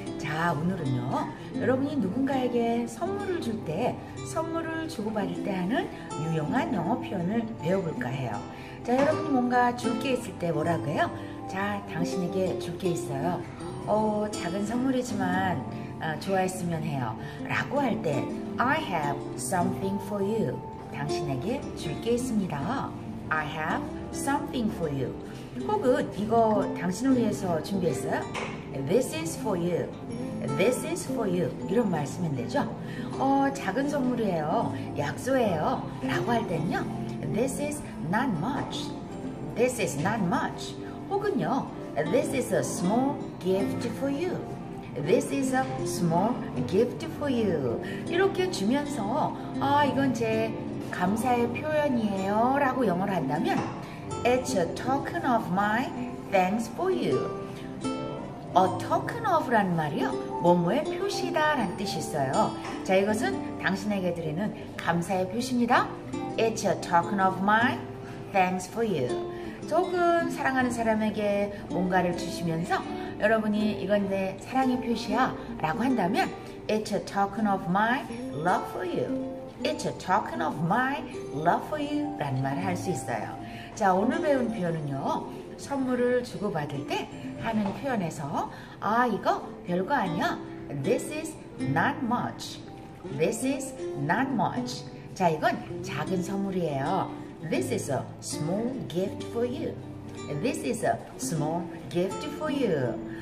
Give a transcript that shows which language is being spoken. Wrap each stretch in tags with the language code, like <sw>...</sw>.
<ko>자, 오늘은요, 여러분이 누군가에게 선물을 줄 때, 선물을 주고받을 때 하는 유용한 영어 표현을 배워볼까 해요. 자, 여러분이 뭔가 줄 게 있을 때 뭐라고 해요? 자, 당신에게 줄 게 있어요. 작은 선물이지만 좋아했으면 해요. 라고 할 때,</ko> <en>I have something for you.</en> <ko>당신에게 줄 게 있습니다.</ko> <en>I have something for you.</en> <ko>혹은 이거 당신을 위해서 준비했어요?</ko> <en>This is for you. This is for you.</en> <ko>이런 말씀이 되죠? 작은 선물이에요. 약소예요. 라고 할 때는요.</ko> <en>This is not much. This is not much.</en> <ko>혹은요.</ko> <en>This is a small gift for you. This is a small gift for you.</en> <ko>이렇게 주면서 아, 이건 제 감사의 표현이에요 라고 영어로 한다면</ko> <en>It's a token of my thanks for you. A token of란 말이요.</en> <ko>뭐뭐의 표시다 라는 뜻이 있어요. 자, 이것은 당신에게 드리는 감사의 표시입니다.</ko> <en>It's a token of my thanks for you.</en> <ko>조금 사랑하는 사람에게 뭔가를 주시면서 여러분이 이건 내 사랑의 표시야 라고 한다면</ko> <en>It's a token of my love for you. It's a token of my love for you</en> <ko>라는 말을 할 수 있어요. 자, 오늘 배운 표현은요, 선물을 주고받을 때 하는 표현에서 아, 이거 별거 아니야.</ko> <en>This is not much. This is not much.</en> <ko>자, 이건 작은 선물이에요.</ko> <en>This is a small gift for you. This is a small gift for you.</en>